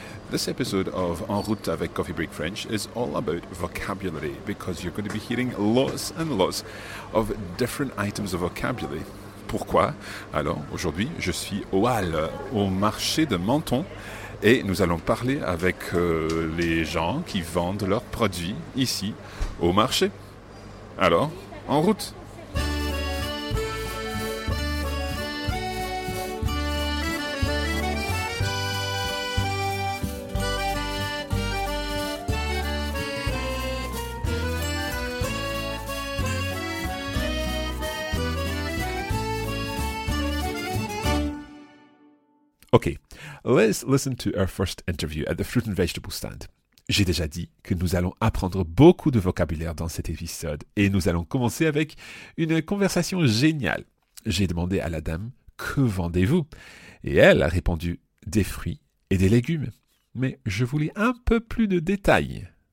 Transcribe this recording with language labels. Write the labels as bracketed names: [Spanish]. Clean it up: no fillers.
[English] This episode of En Route avec Coffee Break French is all about vocabulary, because you're going to be hearing lots and lots of different items of vocabulary. [French] Pourquoi? Alors, aujourd'hui, je suis au Halles, au marché de Menton, et nous allons parler avec les gens qui vendent leurs produits ici, au marché. Alors, en route! [English] Okay, let's listen to our first interview at the fruit and vegetable stand. [French] J'ai déjà dit que nous allons apprendre beaucoup de vocabulaire dans cet épisode et nous allons commencer avec une conversation géniale. J'ai demandé à la dame « Que vendez-vous ?» et elle a répondu « Des fruits et des légumes ». Mais je voulais un peu plus de détails.